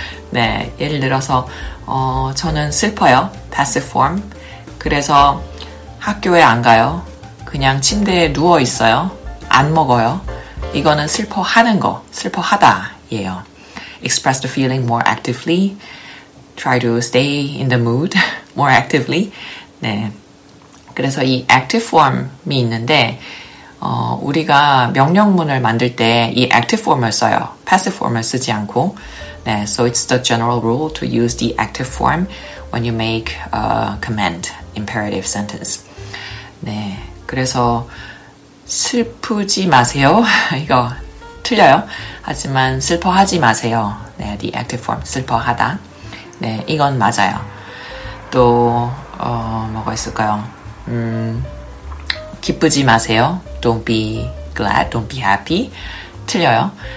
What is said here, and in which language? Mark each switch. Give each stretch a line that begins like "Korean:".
Korean: 네, 예를 들어서 저는 슬퍼요.
English: passive form.
Korean: 그래서 학교에 안 가요. 그냥 침대에 누워 있어요. 안 먹어요. 이거는 슬퍼하는 거, 슬퍼하다예요.
English: express the feeling more actively. try to stay in the mood more actively.
Korean: 네. 그래서 이 active form이 있는데 우리가 명령문을 만들 때 이 active form을 써요. passive form을 쓰지 않고.
English: 네, so it's the general rule to use the active form when you make a command, imperative sentence.
Korean: 네, 그래서 슬프지 마세요. 이거 틀려요. 하지만 슬퍼하지 마세요. 네,
English: the active form,
Korean: 슬퍼하다. 네, 이건 맞아요. 또 뭐가 있을까요? 기쁘지 마세요.
English: Don't be glad, don't be happy.
Korean: 틀려요.